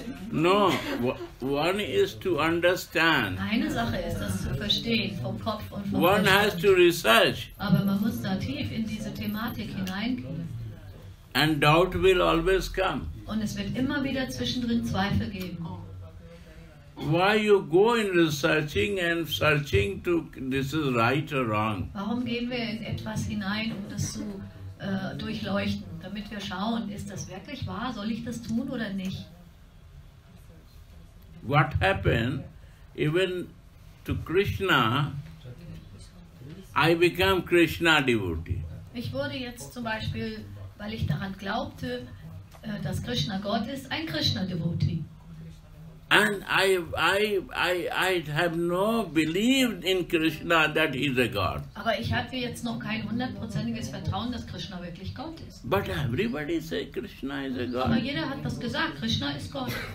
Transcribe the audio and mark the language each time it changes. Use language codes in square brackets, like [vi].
[en] No, one is to understand. [de] Eine Sache ist das zu verstehen, vom Kopf und vom Verstand. [en] One has to research. [de] Aber man muss da tief in diese Thematik hinein. [en] And doubt will always come. [de] Und es wird immer wieder zwischendrin Zweifel geben. [en] Why you go in researching and searching to this is right or wrong? [de] Warum gehen wir in etwas hinein, um das zu durchleuchten, damit wir schauen, ist das wirklich wahr? Soll ich das tun oder nicht? [en] What happened, even to Krishna, I became Krishna devotee. [de] Ich wurde jetzt zum Beispiel, weil ich daran glaubte, dass Krishna Gott ist, ein Krishna devotee. [en] And I have no belief in Krishna that he is a God. [de] Aber ich hatte jetzt noch kein hundertprozentiges Vertrauen, dass Krishna wirklich Gott ist. [en] But everybody say Krishna is a God. [de] Aber jeder hat das gesagt, Krishna ist Gott.